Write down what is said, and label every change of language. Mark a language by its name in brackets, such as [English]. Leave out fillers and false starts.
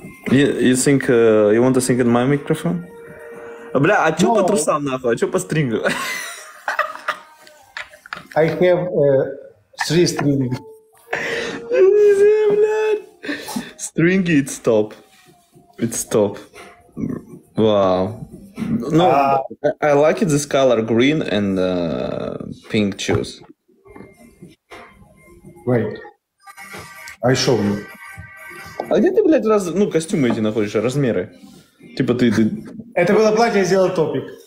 [English] You think you want to sing in my microphone? [Russian] Бля, а чё по трусам нахуй, а чё по стрингу? [English] I have three strings. Easy, [Russian] блядь. [English] Stringy, it's top. It's top. Wow. No, I like it, this color green and pink shoes. Wait. I show you. [Russian] А где ты, блядь, раз, ну, костюмы эти находишь, размеры? Типа ты... Это было платье, я сделал топик.